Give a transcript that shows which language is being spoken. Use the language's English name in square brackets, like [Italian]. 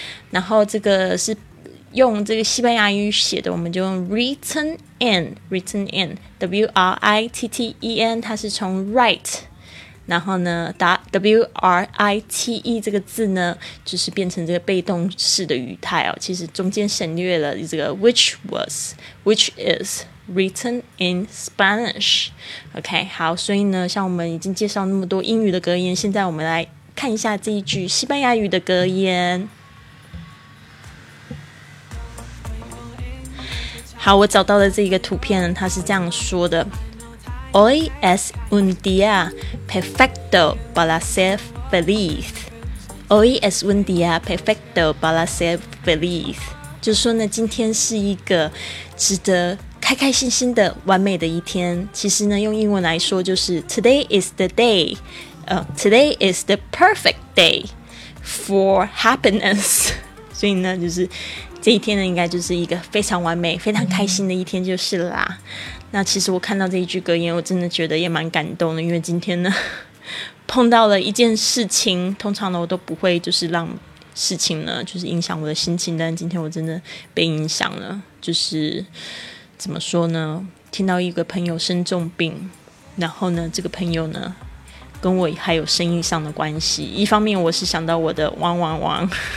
[Chinese] 然后这个是用这个西班牙语写的，我们就用 written in, W-R-I-T-T-E-N, 它是从 write,然后呢 W-R-I-T-E 这个字呢就是变成这个被动式的语态哦，其实中间省略了这个 which is written in Spanish, OK, 好，所以呢像我们已经介绍那么多英语的格言，现在我们来看一下这一句西班牙语的格言。好，我找到了这个图片，它是这样说的， Hoy es un día perfecto para ser feliz. [Spanish] Hoy es un día perfecto para ser feliz. [Chinese] 就说呢，今天是一个值得开开心心的完美的一天。其实呢，用英文来说就是 Today is the day. [English] Today is the perfect day for happiness. [Chinese] 所以呢，就是这一天呢，应该就是一个非常完美、非常开心的一天，就是啦。那其实我看到这一句格言，我真的觉得也蛮感动的，因为今天呢碰到了一件事情，通常呢我都不会就是让事情呢就是影响我的心情，但今天我真的被影响了，就是怎么说呢，听到一个朋友生重病，然后呢这个朋友呢跟我还有生意上的关系，一方面我是想到我的汪汪汪，